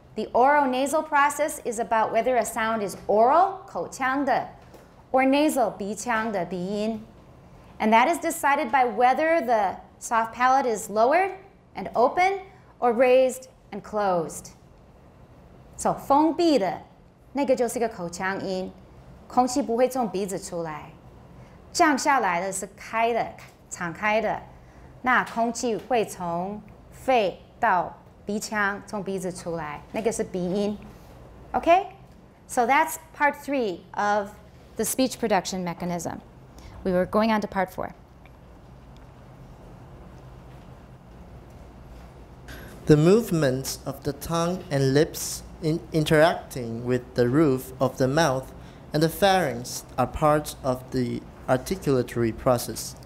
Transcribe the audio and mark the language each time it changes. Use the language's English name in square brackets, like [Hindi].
[English] The oronasal process is about whether a sound is oral, 口腔的, or nasal, 鼻腔的, 鼻音. And that is decided by whether the soft palate is lowered and open or raised and closed. [Chinese] So, 封闭的, 那个就是一个口腔音, 空气不会从鼻子出来, 降下来的是开的, 敞开的, 那空气会从肺到鼻腔, 从鼻子出来, 那个是鼻音. [English] Okay? So that's part three of the speech production mechanism. We were going on to part four. The movements of the tongue and lips interacting with the roof of the mouth and the pharynx are part of the articulatory process.